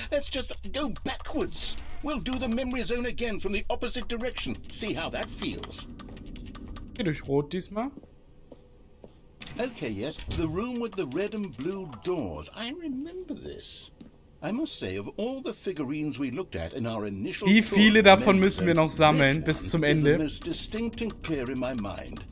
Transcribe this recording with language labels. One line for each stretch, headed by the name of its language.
English: Let's just go backwards. We'll do the memory zone again from the opposite direction. See how that feels.
German: Geh durch rot diesmal.
English: Okay, yes. The room with the red and blue doors. I remember this. I must say, of all the figurines we looked at in our initial
German: tour, wie viele davon müssen wir noch sammeln bis zum Ende?
English: This one is the most distinct and clear in my mind.